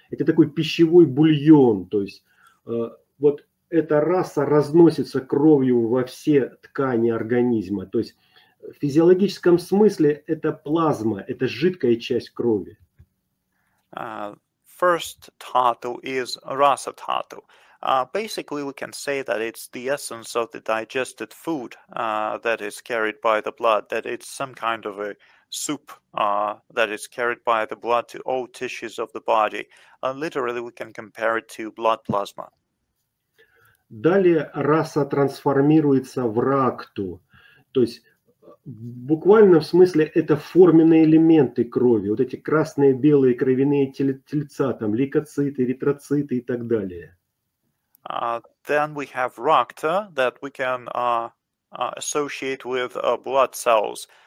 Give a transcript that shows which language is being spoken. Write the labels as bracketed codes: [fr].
[ru] Это такой пищевой бульон, то есть вот эта раса разносится кровью во все ткани организма. То есть в физиологическом смысле это плазма, это жидкая часть крови. [en] First tato is rasa tato. Basically, we can say that it's the essence of the digested food that is carried by the blood, that it's some kind of a soup that is carried by the blood to all tissues of the body. Literally, we can compare it to blood plasma. [ru] Далее раса трансформируется в ракту. То есть в буквальном смысле это форменные элементы крови. Вот эти красные, белые кровяные тельца, там лейкоциты, эритроциты и так далее. [en] Then we have racta that we can associate with blood cells.